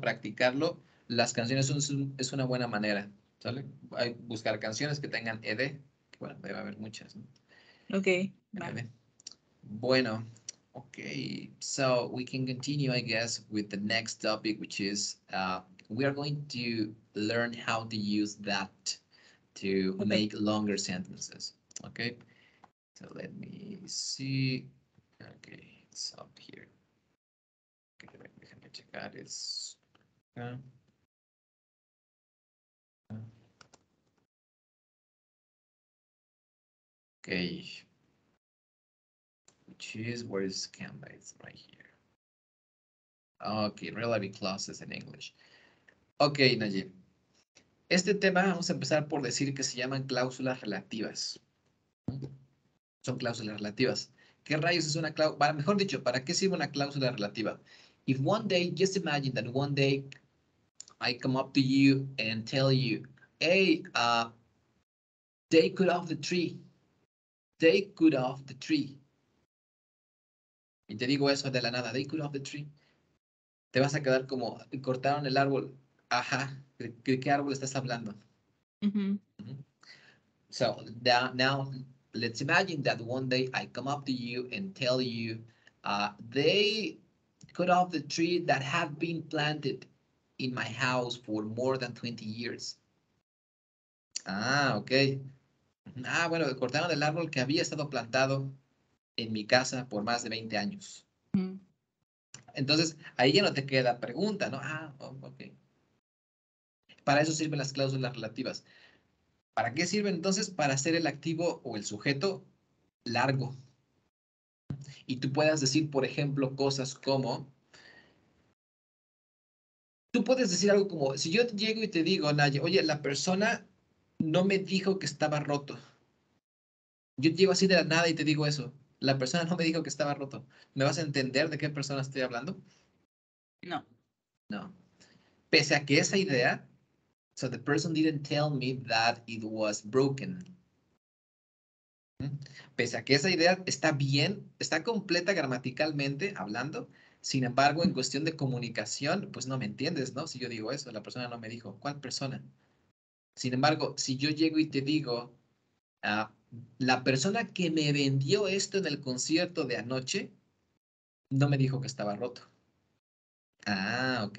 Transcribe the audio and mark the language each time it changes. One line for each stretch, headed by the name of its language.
Spanish: Practicarlo, las canciones es una buena manera, ¿sale? Hay buscar canciones que tengan ED, que bueno, debe haber muchas, ¿no? Ok, vale.
English: Bueno, ok, so we can continue, I guess, with the next topic, which is we are going to learn how to use that to make longer sentences, ok? So let me see, ok, it's up here.
Spanish: Checar es acá. Okay.
English: which is, where is Canva? It's right here. Okay, reality classes in English. Okay, Najib.
Spanish: Este tema vamos a empezar por decir que se llaman cláusulas relativas. Son cláusulas relativas. ¿Qué rayos es una cláusula? Mejor dicho, ¿para qué sirve una cláusula relativa?
English: If one day, just imagine that one day I come up to you and tell you, hey, take off the tree. Take off the tree.
Spanish: Y te digo eso de la nada,
English: take off the tree.
Spanish: Te vas a quedar como, cortaron el árbol. Ajá, ¿de qué árbol estás hablando? Mm-hmm.
English: So now let's imagine that one day I come up to you and tell you, they cut off the tree that have been planted in my house for more than 20 years. Ah, okay.
Spanish: Ah, bueno, cortaron el árbol que había estado plantado en mi casa por más de 20 años. Mm. Entonces, ahí ya no te queda pregunta, ¿no? Ah, oh, okay. Para eso sirven las cláusulas relativas. ¿Para qué sirven entonces? Para hacer el activo o el sujeto largo. Y tú puedas decir, por ejemplo, cosas como... Tú puedes decir algo como, si yo llego y te digo, Naye, oye, la persona no me dijo que estaba roto. Yo llego así de la nada y te digo eso. La persona no me dijo que estaba roto. ¿Me vas a entender de qué persona estoy hablando? No. No. Pese a que esa idea...
English: So the person didn't tell me that it was broken.
Spanish: Pese a que esa idea está bien, está completa gramaticalmente hablando, sin embargo, en cuestión de comunicación, pues no me entiendes, ¿no? Si yo digo eso, la persona no me dijo, ¿cuál persona? Sin embargo, si yo llego y te digo, la persona que me vendió esto en el concierto de anoche, no me dijo que estaba roto. Ah, ok.